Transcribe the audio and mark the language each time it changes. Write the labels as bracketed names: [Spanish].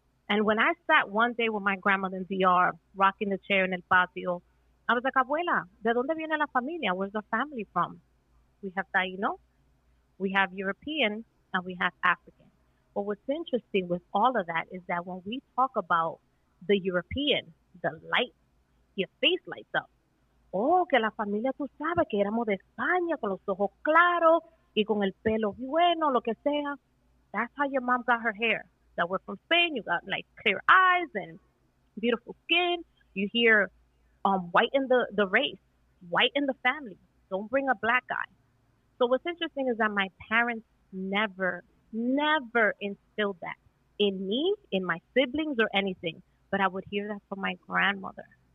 [English] And when I sat one day with my grandmother in DR, rocking the chair in [Spanish] el patio, [English] I was like, [Spanish] abuela, ¿de dónde viene la familia? [English] Where's our family from? We have Taino, we have European, and we have African. But what's interesting with all of that is that when we talk about the European, the light, your face lights up. [Spanish] Oh, que la familia, tú sabes que éramos de España, con los ojos claros y con el pelo bueno, lo que sea. [English] That's how your mom got her hair. That we're from Spain, you got like clear eyes and beautiful skin. You hear white in the race, white in the family. Don't bring a black guy. So what's interesting is that my parents never instilled that in me, in my siblings or anything, but I would hear that from my grandmother.